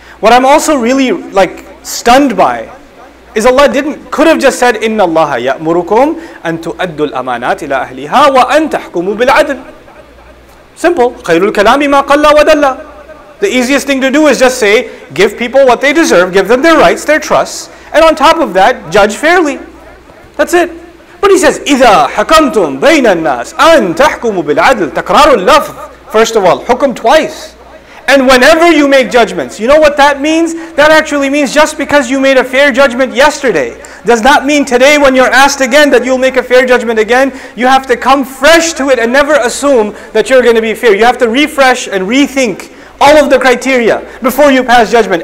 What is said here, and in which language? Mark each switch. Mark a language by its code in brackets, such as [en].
[en] What I'm also really like stunned by is Allah could have just said, [ar] إِنَّ اللَّهَ يَأْمُرُكُمْ أَن تُؤَدُّوا الْأَمَانَاتِ إِلَىٰ أَهْلِهَا وَأَن تَحْكُمُوا بِالْعَدْلِ. [en] Simple. [ar] خَيْرُ الْكَلَامِ مَا قَلَّ وَدَلَّ. [en] The easiest thing to do is just say, give people what they deserve, give them their rights, their trusts, and on top of that, judge fairly. That's it. But he says, [ar] إِذَا حَكَمْتُمْ بَيْنَ النَّاسِ أَن تَحْكُمُوا بِالْعَدْلِ. تَكْرَارُ اللَّفْظ. [en] First of all, hukum twice. And whenever you make judgments, you know what that means? That actually means just because you made a fair judgment yesterday does not mean today when you're asked again that you'll make a fair judgment again. You have to come fresh to it and never assume that you're going to be fair. You have to refresh and rethink all of the criteria before you pass judgment.